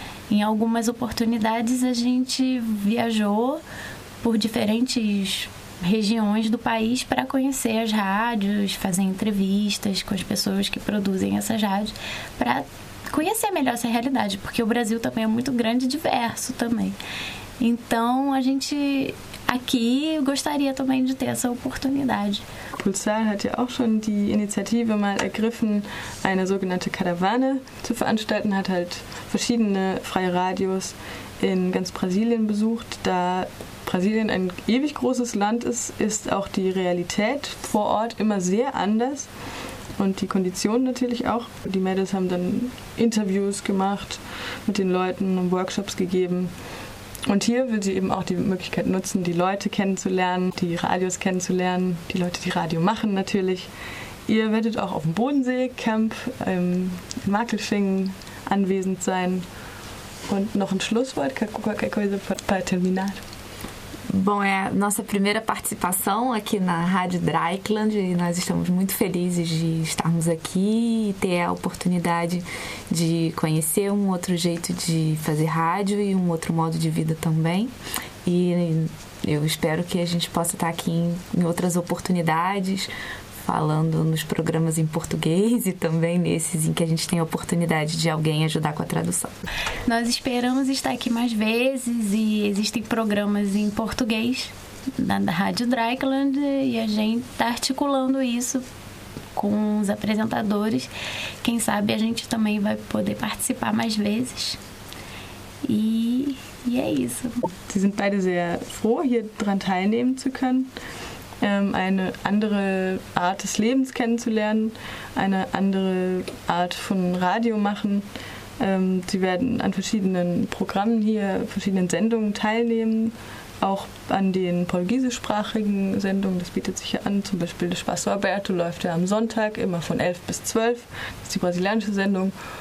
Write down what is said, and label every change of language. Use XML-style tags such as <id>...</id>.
<pt>Em algumas oportunidades, a gente viajou por diferentes regiões do país para conhecer as rádios, fazer entrevistas com as pessoas que produzem essas rádios, para conhecer melhor essa realidade, porque o Brasil também é muito grande e diverso também. Então, a gente aqui gostaria também de ter essa oportunidade.</pt> <de>Pulsar hat ja auch schon die Initiative mal ergriffen, eine sogenannte Karawane zu veranstalten, hat halt verschiedene freie Radios in ganz Brasilien besucht. Da Brasilien ein ewig großes Land ist, ist auch die Realität vor Ort immer sehr anders und die Konditionen natürlich auch. Die Mädels haben dann Interviews gemacht mit den Leuten und Workshops gegeben. Und hier will sie eben auch die Möglichkeit nutzen, die Leute kennenzulernen, die Radios kennenzulernen, die Leute, die Radio machen natürlich. Ihr werdet auch auf dem Bodensee-Camp im Makelschingen anwesend sein. Und noch ein Schlusswort,</de> <pt>qualquer coisa para terminar. Bom, é nossa primeira participação aqui na Rádio Dreikland e nós estamos muito felizes de estarmos aqui e ter a oportunidade de conhecer um outro jeito de fazer rádio e um outro modo de vida também. E eu espero que a gente possa estar aqui em outras oportunidades, falando nos programas em português e também nesses em que a gente tem a oportunidade de alguém ajudar com a tradução. Nós esperamos estar aqui mais vezes e existem programas em português da Rádio Dreikland e a gente está articulando isso com os apresentadores. Quem sabe a gente também vai poder participar mais vezes. E é isso.</pt> <de>Sie sind beide sehr froh, hier dran teilnehmen zu können. Eine andere Art des Lebens kennenzulernen, eine andere Art von Radio machen. Sie werden an verschiedenen Programmen hier, verschiedenen Sendungen teilnehmen, auch an den portugiesischsprachigen Sendungen, das bietet sich ja an, zum Beispiel der Spaço Aberto läuft ja am Sonntag, immer von 11 bis 12, das ist die brasilianische Sendung.</de>